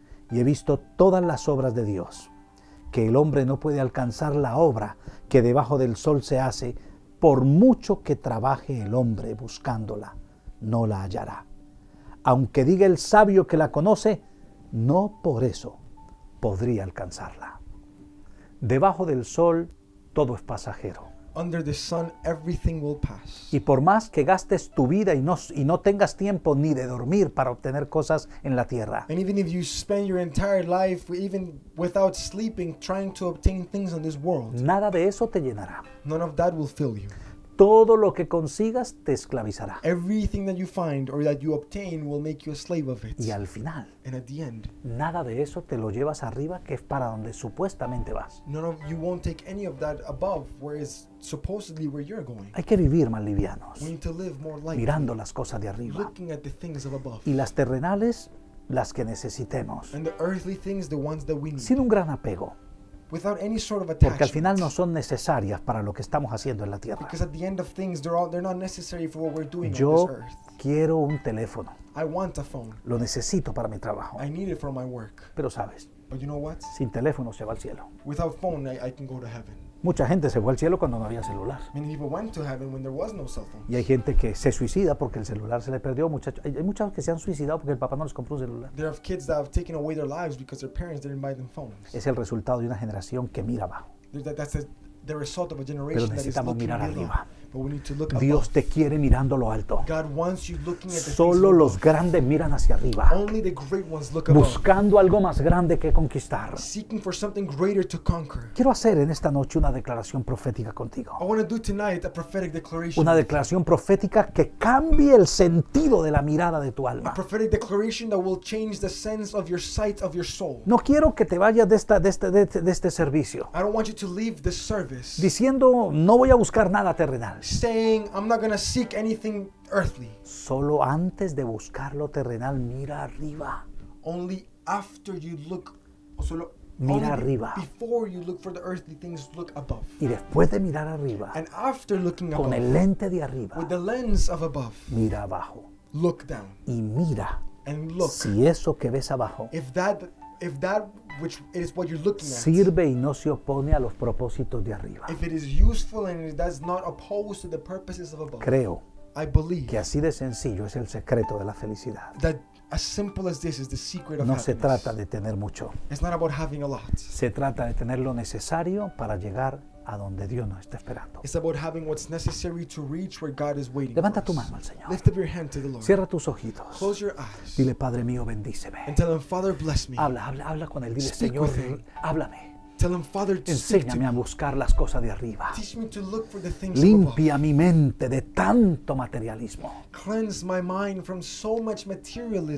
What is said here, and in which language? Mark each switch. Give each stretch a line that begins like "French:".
Spanish: Y he visto todas las obras de Dios, que el hombre no puede alcanzar la obra que debajo del sol se hace, por mucho que trabaje el hombre buscándola. No la hallará. Aunque diga el sabio que la conoce, no por eso podría alcanzarla. Debajo del sol, todo es pasajero.
English: Under the sun, everything will pass.
Spanish: Y por más que gastes tu vida y no tengas tiempo ni de dormir para obtener cosas en la tierra.
English: And even if you spend your entire life, even without sleeping, trying to obtain things on this world.
Spanish: Nada de eso te llenará.
English: None of that will fill you.
Spanish: Todo lo que consigas te esclavizará.
English: Everything that you find or that you obtain will make you a slave of it.
Spanish: Y al final,
English: and at the end,
Spanish: nada de eso te lo llevas arriba, que es para donde supuestamente vas.
English: You won't take any of that above, where is supposedly where you're going.
Spanish: Hay que vivir más livianos.
English: We need to live more lightly,
Spanish: mirando las cosas de arriba.
English: Looking at the things of above.
Spanish: Y las terrenales, las que necesitemos.
English: And the earthly things, the ones that we need.
Spanish: Sin un gran apego.
English: Without any sort of attachment.
Spanish: Porque al final no son necesarias para lo que estamos haciendo en la tierra.
English: Because at the end of things, they're not necessary for what we're doing
Spanish: yo
English: on this earth.
Spanish: Yo quiero un teléfono.
English: I want a phone.
Spanish: Lo necesito para mi trabajo.
English: I need it for my work.
Spanish: Pero sabes.
English: But you know what?
Spanish: Sin teléfono se va al cielo.
English: Without phone, I can go to heaven.
Spanish: Mucha gente se fue al cielo cuando no había celular.
English: Many people went to heaven when there was no cell phone.
Spanish: Y hay gente que se suicida porque el celular se le perdió. Hay muchos que se han suicidado porque el papá no les compró un celular.
English: There are kids that have taken away their lives because their parents didn't buy them phones. Es el resultado de una generación que mira abajo. That's the result of a generation that is looking
Spanish: Pero necesitamos mirar arriba.
English: But we need to look
Spanish: Dios
English: above.
Spanish: Te quiere mirando lo alto.
English: God wants you looking at the
Spanish: solo los
English: above.
Spanish: Grandes miran hacia arriba.
English: Only the great ones look
Spanish: buscando
English: above.
Spanish: Algo más grande que conquistar.
English: Seeking for something greater to conquer.
Spanish: Quiero hacer en esta noche una declaración profética contigo.
English: I want to do tonight a prophetic declaration.
Spanish: Una declaración profética que cambie el sentido de la mirada de tu alma.
English: A prophetic declaration that will change the sense of your sight of your soul.
Spanish: No quiero que te vayas de este servicio.
English: I don't want you to leave this service.
Spanish: Diciendo no voy a buscar nada terrenal.
English: Saying, I'm not going to seek anything earthly.
Spanish: Solo antes de buscar lo terrenal, mira arriba.
English: Only after you look,
Spanish: solo, mira
English: only
Spanish: arriba.
English: Before you look for the earthly things, look above.
Spanish: Y después de mirar arriba,
English: and after looking
Spanish: con
English: above,
Spanish: el lente de arriba,
English: with the lens of above,
Spanish: mira abajo.
English: Look down.
Spanish: Y mira
English: and look,
Spanish: si eso que ves abajo,
English: if that if that which it is what you're looking
Spanish: sirve
English: at,
Spanish: y no se opone a los propósitos de arriba,
English: if it is useful and it does not oppose to the purposes of above,
Spanish: creo,
English: I believe,
Spanish: que así de sencillo es el secreto de la felicidad.
English: That as simple as this is the secret of
Spanish: no
English: happiness.
Spanish: No se trata de tener mucho.
English: It's not about having a lot.
Spanish: Se trata de tener lo necesario para llegar a donde Dios nos está esperando.
English: It's about having what's necessary to reach where God is waiting.
Spanish: Levanta
English: for
Spanish: tu mano al Señor.
English: Lift up your hand to the Lord.
Spanish: Cierra tus ojitos.
English: Close your eyes.
Spanish: Dile, Padre mío, bendíceme.
English: And tell him, Father, bless me.
Spanish: Habla con él. Dile, Señor, háblame.
English: Tell him, Father,
Spanish: enséñame a buscar las cosas de arriba.
English: Teach me to look for the things
Spanish: limpia
English: above.
Spanish: Mi mente de tanto materialismo.
English: Cleanse my mind from so much materialism.